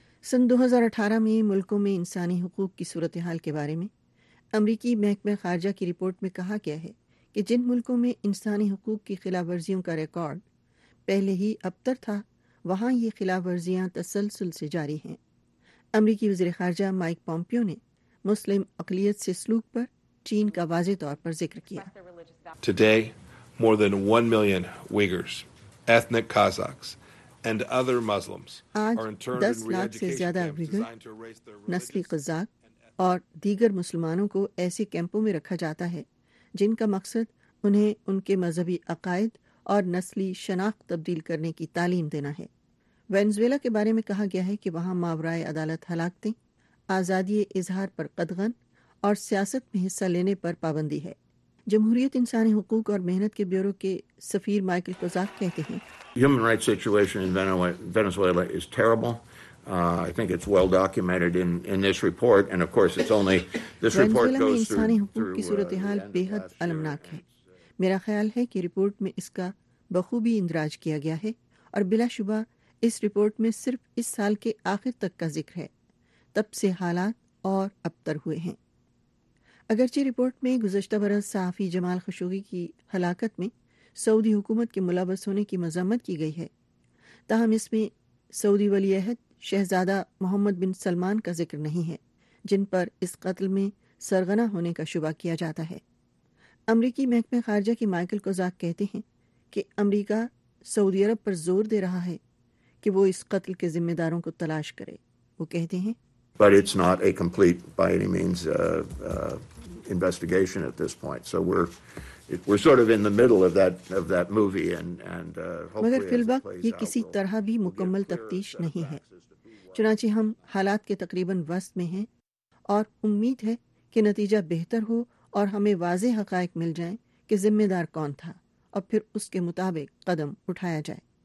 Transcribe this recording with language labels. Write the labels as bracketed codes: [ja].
[ur] سن 2018 میں ملکوں میں انسانی حقوق کی صورتحال کے بارے میں امریکی محکمہ خارجہ کی رپورٹ میں کہا گیا ہے کہ جن ملکوں میں انسانی حقوق کی خلاف ورزیوں کا ریکارڈ پہلے ہی ابتر تھا, وہاں یہ خلاف ورزیاں تسلسل سے جاری ہیں. امریکی وزیر خارجہ مائک پومپیو نے مسلم اقلیت سے سلوک پر چین کا واضح طور پر ذکر کیا. [en] Today, more than 1 million Uyghurs, ethnic Kazakhs, and other Muslims [ur] آج 10 لاکھ سے زیادہ Uyghur, نسلی قزاک اور دیگر مسلمانوں کو ایسے کیمپوں میں رکھا جاتا ہے جن کا مقصد انہیں ان کے مذہبی عقائد اور نسلی شناخت تبدیل کرنے کی تعلیم دینا ہے. وینزویلا کے بارے میں کہا گیا ہے کہ وہاں ماورائے عدالت ہلاکتیں, آزادی اظہار پر قدغن اور سیاست میں حصہ لینے پر پابندی ہے. جمہوریت انسانی حقوق اور محنت کے بیورو کے سفیر مائیکل کوزاک کہتے ہیں, [en] Human rights situation in Venezuela is terrible. I think it's well documented in this report, and of course it's only this report goes through [ur] انسانی حقوق کی صورتحال بے حد المناک ہے. میرا خیال ہے کہ رپورٹ میں اس کا بخوبی اندراج کیا گیا ہے, اور بلا شبہ اس رپورٹ میں صرف اس سال کے آخر تک کا ذکر ہے, تب سے حالات اور ابتر ہوئے ہیں. اگرچہ رپورٹ میں گزشتہ برس صحافی جمال خشوگی کی ہلاکت میں سعودی حکومت کے ملوث ہونے کی مذمت کی گئی ہے, تاہم اس میں سعودی ولی عہد شہزادہ محمد بن سلمان کا ذکر نہیں ہے جن پر اس قتل میں سرغنہ ہونے کا شبہ کیا جاتا ہے. امریکی محکمہ خارجہ کی مائیکل کوزاک کہتے ہیں کہ امریکہ سعودی عرب پر زور دے رہا ہے کہ وہ اس قتل کے ذمہ داروں کو تلاش کرے. وہ کہتے ہیں, [en] But it's not a complete by any means investigation at this point. So we're sort of in the middle of that movie and [ur] مگر فی الوقت یہ کسی طرح بھی مکمل تفتیش نہیں ہے, چنانچہ ہم حالات کے تقریباً وسط میں ہیں اور امید ہے کہ نتیجہ بہتر ہو اور ہمیں واضح حقائق مل جائیں کہ ذمہ دار کون تھا, اور پھر اس کے مطابق قدم اٹھایا جائے.